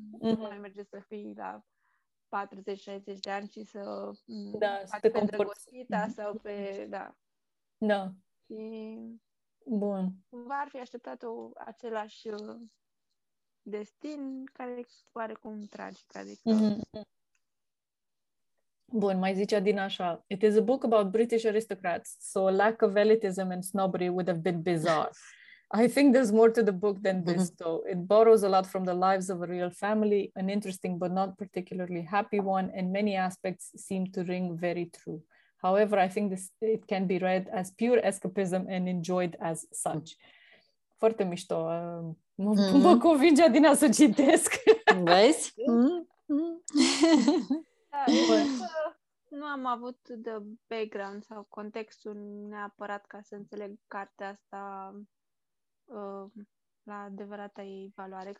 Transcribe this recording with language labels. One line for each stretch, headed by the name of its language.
Romanian: Nu mai merge să fii la 40-60 de ani și să da, faci pe drăgostita sau pe... Da. Da. Și... Bun. Cumva ar fi așteptat o același... destin care pare cum tragic, adică. Bun, mai zicea din așa.
English: It is a book about British aristocrats, so a lack of elitism and snobbery would have been bizarre. I think there's more to the book than this, though. It borrows a lot from the lives of a real family, an interesting but not particularly happy one, and many aspects seem to ring very true. However, I think this it can be read as pure escapism and enjoyed as such.
Romanian: Foarte mișto. Mă convinge Adina să citesc. Vezi? Da, nu am avut de background sau contextul neapărat ca să înțeleg cartea asta la adevărata ei valoare.